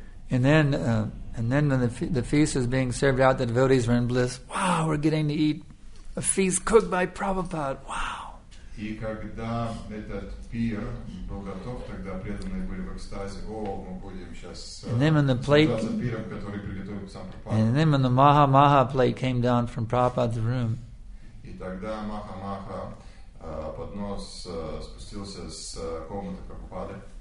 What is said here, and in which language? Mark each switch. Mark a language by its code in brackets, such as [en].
[en] And then when the feast was being served out, the devotees were in bliss. Wow, we're getting to eat a feast cooked by Prabhupada. Wow. [ru] И когда этот пир был готов, тогда преданные были в экстазе. О, мы будем сейчас. [en] And then when the plate. [ru] За пиром, который приготовил сам Прабхупада. [en] And then when the Maha plate came down from Prabhupada's room. [ru] И тогда Maha поднос спустился с комнаты Прабхупады.